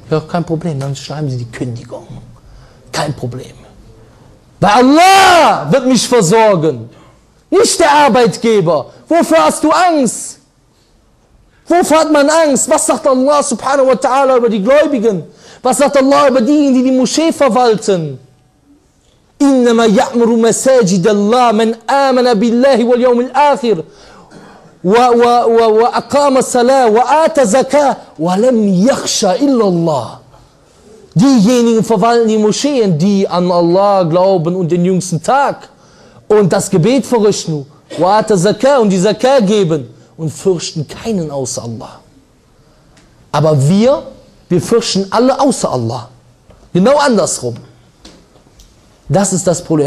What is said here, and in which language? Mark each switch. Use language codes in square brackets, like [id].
[de] Ja, kein Problem, dann schreiben sie die Kündigung. Kein Problem. Bei Allah wird mich versorgen. Nicht der Arbeitgeber. Wofür hast du Angst? Wofür hat man Angst? Was sagt Allah subhanahu wa ta'ala über die Gläubigen? Was sagt Allah über diejenigen, die Moschee verwalten? [ar] إنما يعمر مساجد الله من آمن بالله واليوم الآخر وأقام الصلاة وآتى الزكاة ولم يخشى إلا الله. [de] Diejenigen verwalten die Moscheen, die an Allah glauben und den jüngsten Tag und das Gebet verrichten, [ar] وآتى الزكاة [de] und die Zakat geben und fürchten keinen außer Allah. Aber wir fürchten alle außer Allah. Genau andersrum. Das ist das Problem.